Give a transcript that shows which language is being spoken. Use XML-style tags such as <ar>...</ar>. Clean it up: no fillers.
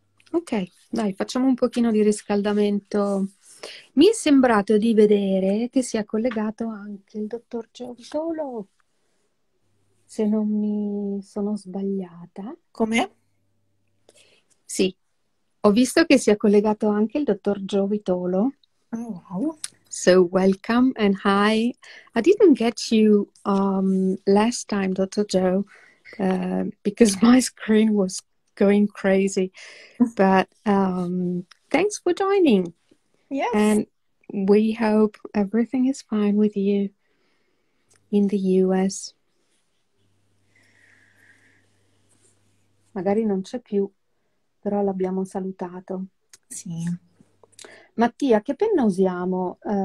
<it>Ok, dai, facciamo un pochino di riscaldamento. Mi è sembrato di vedere che sia collegato anche il dottor Ciavzolo, se non mi sono sbagliata. Com'è? Sì, ho visto che sia collegato anche il dottor Giovitolo.</it> <en>Oh, wow. So, welcome and hi. I didn't get you last time, Dr. Joe, because my screen was going crazy. But thanks for joining. Yes. And we hope everything is fine with you in the US.</en> <it>Magari non c'è più, però l'abbiamo salutato. Sì. Mattia, che penna usiamo?</it>